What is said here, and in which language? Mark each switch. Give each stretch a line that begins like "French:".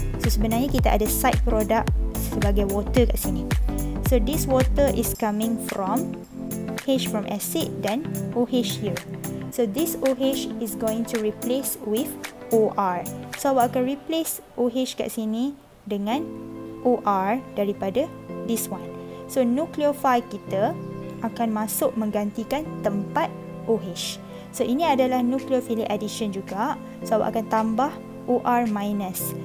Malay: So sebenarnya kita ada side product sebagai water kat sini.
English: So this water is coming from H from acid then OH here. So this OH is going to replace with OR.
Malay: So we akan replace OH kat sini dengan OR daripada this one. So nucleophile kita akan masuk menggantikan tempat OH. So ini adalah nucleophilic addition juga. So we akan tambah OR minus.